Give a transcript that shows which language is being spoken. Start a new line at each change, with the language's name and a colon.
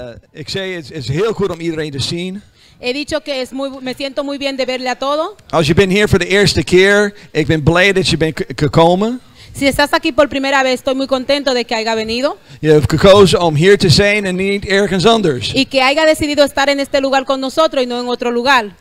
Dutch: Ik zei, het is heel goed om iedereen te zien.
Spanish: He dicho que es muy, me siento muy bien de verle a todo.
Dutch: Als je bent hier voor de eerste keer, ik ben blij dat je bent gekomen.
Spanish: Si estás aquí por primera vez, estoy muy contento de que haya venido.
English: You have
Dutch: gekozen om hier te zijn en niet ergens anders.
Spanish: Y que haya decidido estar en este lugar con nosotros y no en otro lugar.